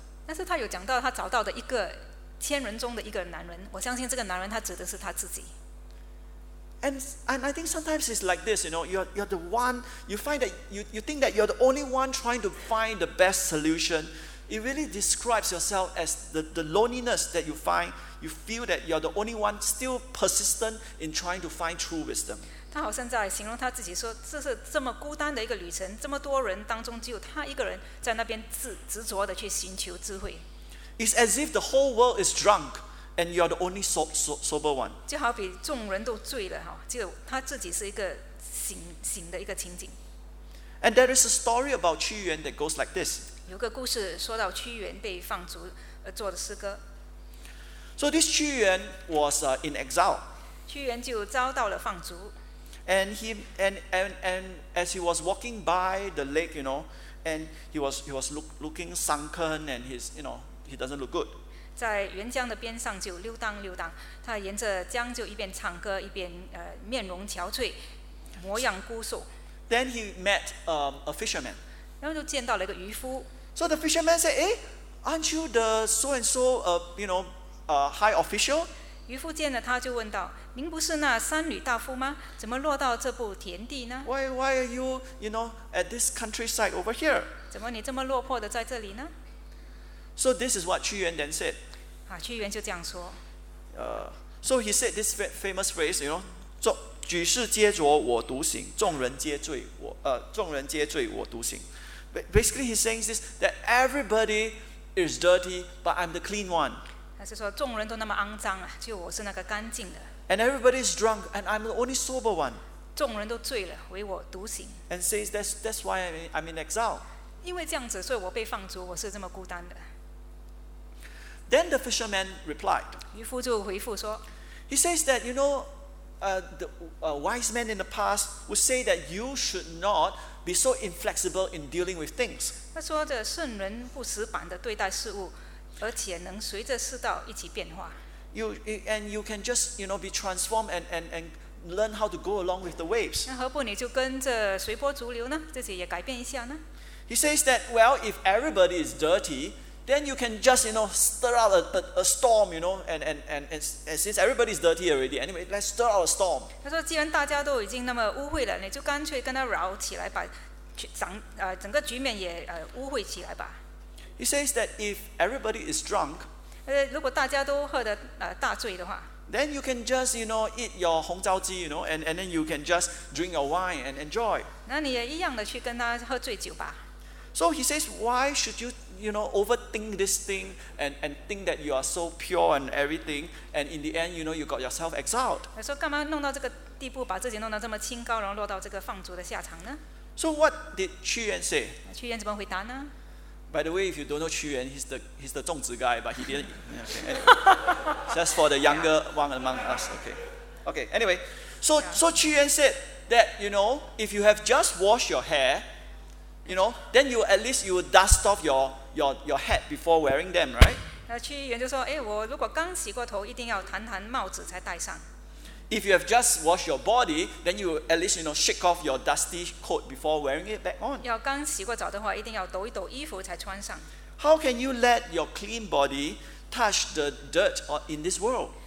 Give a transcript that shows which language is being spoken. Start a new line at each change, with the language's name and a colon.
Chinese: 但是他有讲到他找到的一个千人中的一个男人，我相信这个男人他指的是他自己。
English: And I think sometimes it's like this, you know, you're the one, you find that you think that you're the only one trying to find the best solution. It really describes yourself as the loneliness that you find. You feel that you're the only one still persistent in trying to find true wisdom.
Chinese: 他好像在形容他自己说，这是这么孤单的一个旅程，这么多人当中只有他一个人在那边执着的去寻求智慧。
English: It's as if the whole world is drunk, and you're the only sober one.
Chinese: 就好比众人都醉了，只有他自己是一个醒的一个情景。
English: And there is a story about 屈原 that goes like this.
Chinese: 有个故事说到屈原被放逐而作的诗歌。
English: So this 屈原 was in exile.
Chinese: 屈原就遭到了放逐。
English: And he as he was walking by the lake, you know, and he was looking sunken, and he's, you know, he doesn't look good.
Chinese: 在沅江的边上就溜达，他沿着江就一边唱歌一边面容憔悴，模样枯瘦。
English: Then he met a fisherman.
Chinese: 然后就见到了一个渔夫。
English: So the fisherman said, "Hey, aren't you the so and so high official?"
Chinese: 渔夫见了他就问道。您不是那三旅大夫吗？怎么落到这步田地呢？
English: Why are you know, at this countryside over here?
Chinese: 怎么你这么落魄的在这里呢？
English: So this is what 屈原 then said.
Chinese: 屈原就这样说。
English: So he said this famous phrase, you know,
Chinese: 举世皆浊我独醒，
English: 众人皆醉我独醒。 Basically, he's saying this, that everybody is dirty, but I'm the clean one.
Chinese: 他是说众人都那么肮脏啊，就我是那个干净的。
English: And everybody is drunk, and I'm the only sober one.
Chinese: 众人都醉了，唯我独醒。
English: And says that's why I'm in exile.
Chinese: 因为这样子，所以我被放逐，我是这么孤单的。
English: Then the fisherman replied.
Chinese: 渔夫就回复说。
English: He says that, you know, the wise men in the past would say that you should not be so inflexible in dealing with things.
Chinese: 他说着圣人不死板地对待事物，而且能随着世道一起变化。
English: You can just, you know, be transformed and learn how to go along with the waves.
Chinese: 那何不你就跟着随波逐流呢？自己也改变一下呢？
English: He says that, well, if everybody is dirty,then you can just, you know, stir out a storm, you know, and since everybody's dirty already, anyway, let's stir out a storm.
Chinese: 他说既然大家都已经那么污秽了，你就干脆跟他扰起来，把整个局面也污秽起来吧。
English: He says that if everybody is drunk,
Chinese: 如果大家都喝得大醉的话，
English: then you can just, you know, eat your 红烧鸡, you know, and then you can just drink your wine and enjoy.
Chinese: 那你也一样的去跟他喝醉酒吧。
English: So he says, why should you know, overthink this thing and think that you are so pure and everything, and in the end, you know, you got yourself exiled.
Chinese: 他说干嘛弄到这个地步，把自己弄到这么清高，然后落到这个放逐的下场呢？
English: So what did Qu Yuan say?
Chinese: 屈原怎么回答呢？
English: By the way, if you don't know Qu Yuan, he's the 种子 guy, but he didn't. Okay, anyway, just for the younger one among us. Okay. Anyway, so Qu Yuan said that, you know, if you have just washed your hair,you know, then you at least you will dust off your hat before wearing them, right?
Chinese: 那屈原就说，哎，我如果刚洗过头，一定要弹弹帽子才戴上。
English: If you have just washed your body, then you at least you know shake off your dusty coat before wearing it back on.
Chinese: 要刚洗过澡的话，一定要抖一抖衣服才穿上。
English: How can you let your clean body touch the dirt in this world?